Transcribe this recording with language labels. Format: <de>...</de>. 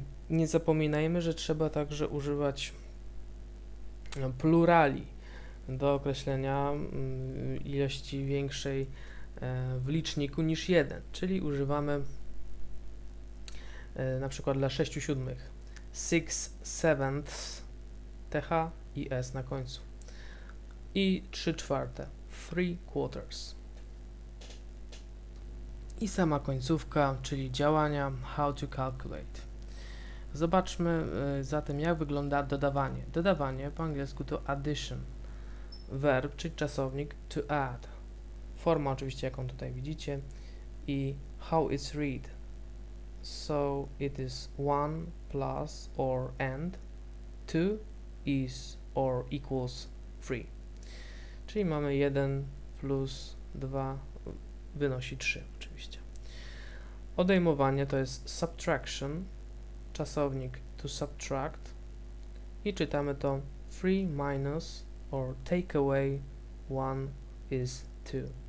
<pl>Nie zapominajmy, że trzeba także używać plurali do określenia ilości większej w liczniku niż 1, czyli używamy na przykład dla 6 siódmych</pl> <en>6 sevenths,</en> <pl>th i s na końcu, i 3 czwarte</pl> <en>3 quarters,</en> <pl>i sama końcówka, czyli działania</pl> <en>how to calculate.</en> <pl>Zobaczmy zatem, jak wygląda dodawanie. Dodawanie po angielsku to addition. Verb, czyli czasownik to add. Forma oczywiście, jaką tutaj widzicie.</pl> <en>I how it's read. So it is one plus or and two is or equals three.</en> <pl>Czyli mamy 1 plus 2 wynosi 3 oczywiście. Odejmowanie to jest subtraction. Czasownik to subtract. I czytamy to</pl> <en>3 minus or take away 1 is 2.</en>